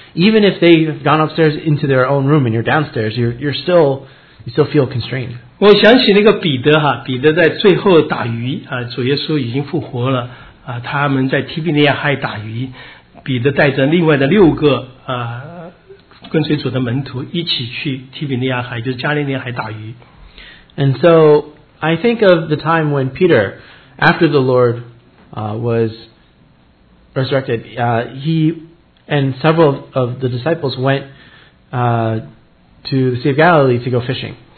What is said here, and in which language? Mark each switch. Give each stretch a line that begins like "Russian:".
English: Even if they've gone upstairs into their own room and you're downstairs, you still feel constrained.
Chinese: 我想起那个彼得，彼得在最后打鱼，主耶稣已经复活了，他们在提比利亚海打鱼，彼得带着另外的六个跟随主的门徒一起去提比利亚海，就是加利利海打鱼。
English: And so I think of the time when Peter, after the Lord was resurrected, he and several of the disciples went to the Sea of Galilee to go fishing.